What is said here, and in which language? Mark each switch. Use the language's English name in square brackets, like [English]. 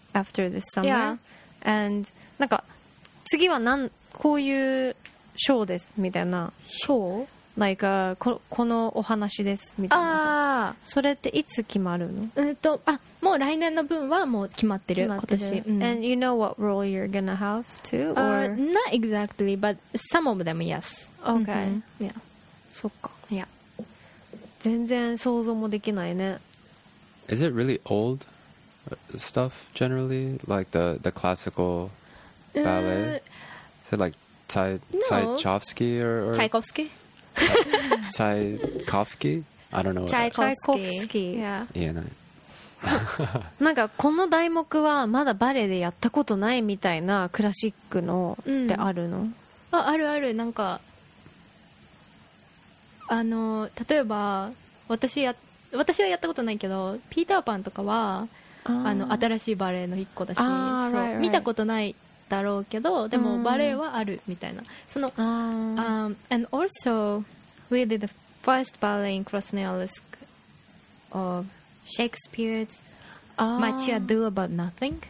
[English] After this summer、and [Japanese] なんか次はこういうショーですみたいな。ショー？ [English] like, [Japanese] このお話ですみたいなさ。それっていつ決まるの？あ、もう来年の分はもう決まってる。今年。 [English] And you know what role you're gonna have too? Or not exactly, but some of them, yes. Okay. Mm-hmm. Yeah. [Japanese] そっか。 [English] Yeah. [Japanese] 全然想像もできないね。 [English] Is it really old stuff generally, like the classical ballet? Is it like Tchaikovsky or Tchaikovsky? Tchaikovsky? I don't know. Tchaikovsky. Yeah. [Japanese] 言えない。なんかこの題目はまだバレエでやったことないみたいなクラシックのってあるの？うん、あるある。なんか例えば私はやったことないけど、ピーターパンとかは新しいバレエの一個だし、そう、見たことないだろうけど、でもバレエはあるみたいな。その、 [English] and also we did the first ballet in Krasnoyarsk of Shakespeare's Much Ado About Nothing.